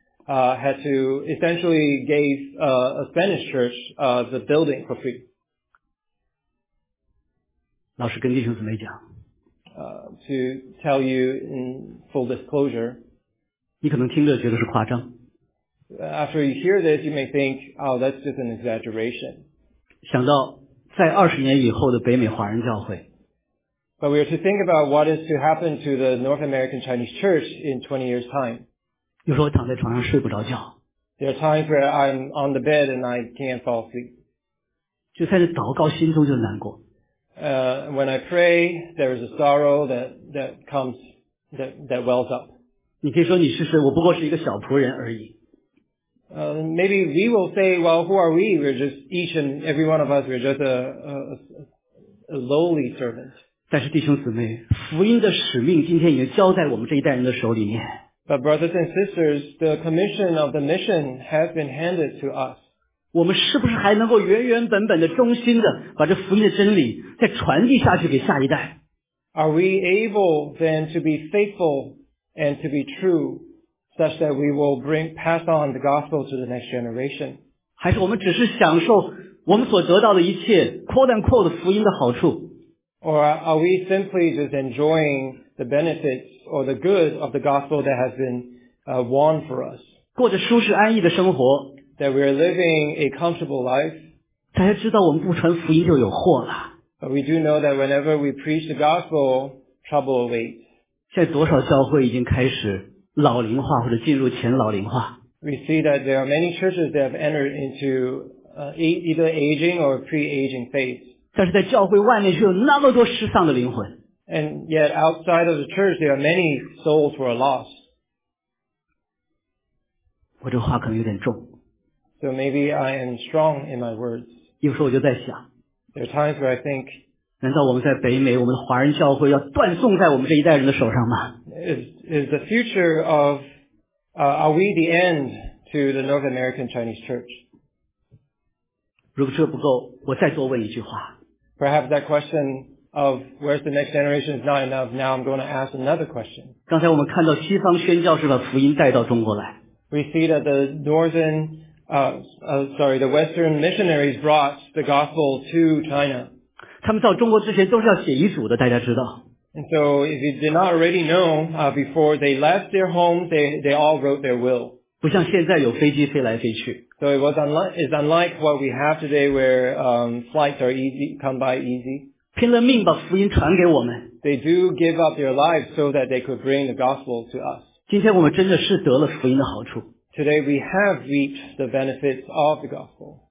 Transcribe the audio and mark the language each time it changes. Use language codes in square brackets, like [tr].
[en] Had to essentially gave a Spanish church the building for free. [zh] 老实跟弟兄姊妹讲。 [en] To tell you in full disclosure. [zh] 你可能听着觉得是夸张。 [en] After you hear this, you may think, oh, that's just an exaggeration. [zh] 想到在二十年以后的北美华人教会。 [en] But we are to think about what is to happen to the North American Chinese Church in 20 years' time. [zh] 有时候躺在床上睡不着觉。 [en] There are times where I'm on the bed and I can't fall asleep. [zh] 就算是祷告心中就难过。 [en] When I pray, there is a sorrow that wells up. [zh] 你可以说你试试，我不过是一个小仆人而已。 [en] Maybe we will say, well, who are we? We're just each and every one of us, we're just a lowly servant. [zh] 但是弟兄姊妹，福音的使命今天已经交在我们这一代人的手里面。 [en] But brothers and sisters, the commission of the mission has been handed to us. [zh] 我们是不是还能够原原本本的、忠心的把这福音的真理再传递下去给下一代？ [en] Are we able then to be faithful and to be true, such that we will pass on the gospel to the next generation? [zh] 还是我们只是享受我们所得到的一切 [en] quote unquote [zh] 福音的好处？ [en] Or are we simply just enjoying the benefits or the good of the gospel that has been won for us? [zh] 过着舒适安逸的生活。 [en] That we are living a comfortable life. [zh] 大家知道我们不传福音就有祸了。 [en] But we do know that whenever we preach the gospel, trouble awaits. [zh] 现在多少教会已经开始老龄化或者进入前老龄化。 [en] We see that there are many churches that have entered into either aging or pre-aging faith. [zh] 但是在教会外面却有那么多失丧的灵魂。 [en] And yet outside of the church, there are many souls who are lost. [zh] 我这话可能有点重。 [en] So maybe I am strong in my words. [zh] 有时候我就在想。 [en] There are times where I think, [zh] 难道我们在北美，我们的华人教会要断送在我们这一代人的手上吗？ [en] Is the future of, are we the end to the North American Chinese church? [zh] 如果这不够，我再多问一句话。 [en] Perhaps that question of where's the next generation is not enough, now I'm going to ask another question. [zh] 刚才我们看到西方宣教士把福音带到中国来。 [en] We see that the northern, the western missionaries brought the gospel to China. [zh] 他们到中国之前都是要写遗嘱的，大家知道。 [en] And so if you did not already know, before they left their home, they all wrote their will. [zh] 不像现在有飞机飞来飞去。 [en] So it's unlike what we have today where, flights are easy, come by easy. [zh] 拼了命把福音传给我们。 [en] They do give up their lives so that they could bring the gospel to us. [zh] 今天我们真的是得了福音的好处。 [en] Today we have reaped the benefits of the gospel.